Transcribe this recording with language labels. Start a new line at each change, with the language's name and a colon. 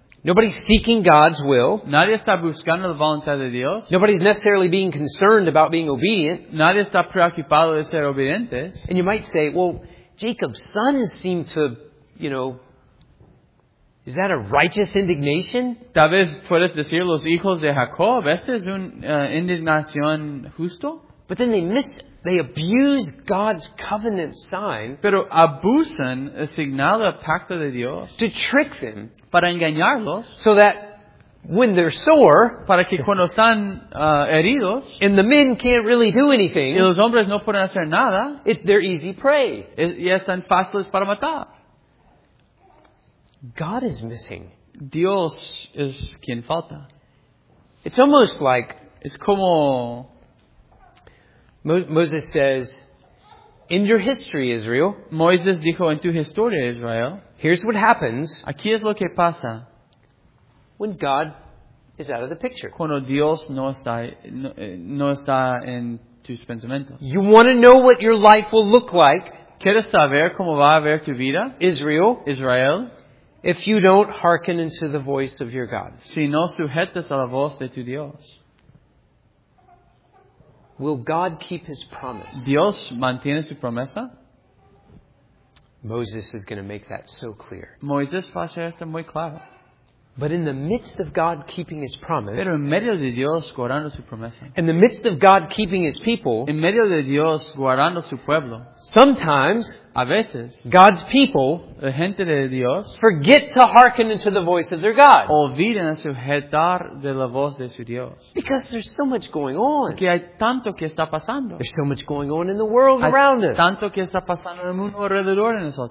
English: Nobody's seeking God's will.
Spanish: Nadie está buscando la voluntad de Dios.
English: Nobody's necessarily being concerned about being obedient.
Spanish: Nadie está preocupado de ser obedientes.
English: And you might say, well, Jacob's sons seem to, you know, is that a righteous indignation?
Spanish: Tal vez puedes decir los hijos de Jacob, ¿esta es una indignación justo?
English: But then they abuse God's covenant sign.
Spanish: Pero abusan el señal del pacto de Dios.
English: To trick them.
Spanish: Para engañarlos.
English: So that when they're sore.
Spanish: Para que cuando están heridos.
English: And the men can't really do anything.
Spanish: Y los hombres no pueden hacer nada.
English: They're easy prey.
Spanish: Y están fáciles para matar.
English: God is missing.
Spanish: Dios es quien falta.
English: It's almost like.
Spanish: Es como.
English: Moses says, in your history, Israel.
Spanish: Moisés dijo en tu historia, Israel.
English: Here's what happens.
Spanish: Aquí es lo que pasa.
English: When God is out of the picture.
Spanish: Cuando Dios no está en tus pensamientos.
English: You want to know what your life will look like.
Spanish: ¿Quieres saber cómo va a ver tu vida?
English: Israel. If you don't hearken unto the voice of your God.
Spanish: Si no sujetas a la voz de tu Dios.
English: Will God keep his promise?
Spanish: ¿Dios mantiene su promesa?
English: Moses is going to make that so clear.
Spanish: Moisés va a hacer esto muy claro.
English: But in the midst of God keeping his promise,
Spanish: pero en medio de Dios guardando su promesa,
English: in the midst of God keeping his people,
Spanish: en medio de Dios guardando su pueblo,
English: sometimes,
Spanish: a veces,
English: God's people,
Spanish: la gente de Dios,
English: forget to hearken unto the voice of their God.
Spanish: Olvidan a sujetar de la voz de su Dios.
English: Because there's so much going on.
Spanish: Porque hay tanto que está pasando.
English: There's so much going on in the world around us.
Spanish: Tanto que está pasando en el mundo alrededor de nosotros.